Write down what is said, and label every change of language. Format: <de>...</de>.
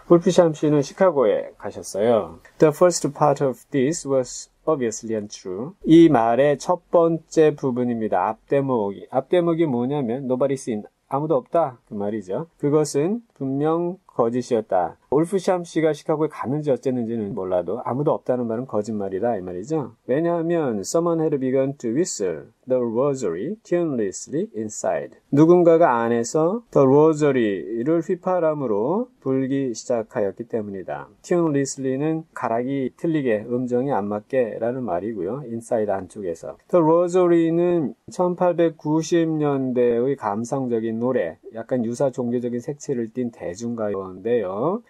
<ko>울프샴 씨는 시카고에 가셨어요.</ko> <en>The first part of this was obviously untrue.</en> <ko>이 말의 첫 번째 부분입니다. 앞대목이. 앞대목이 뭐냐면</ko> <en>Nobody's in.</en> <ko>아무도 없다. 그 말이죠. 그것은 분명 거짓이었다. 울프샴 씨가 시카고에 갔는지 어쨌는지는 몰라도 아무도 없다는 말은 거짓말이다. 이 말이죠. 왜냐하면</ko> <en>someone had begun to whistle the rosary tunelessly inside.</en> <ko>누군가가 안에서 the rosary를 휘파람으로 불기 시작하였기 때문이다. tunelessly는 가락이 틀리게, 음정이 안 맞게라는 말이고요. inside 안쪽에서. the rosary는 1890년대의 감성적인 노래, 약간 유사 종교적인 색채를 띤 대중가요인데요.</ko>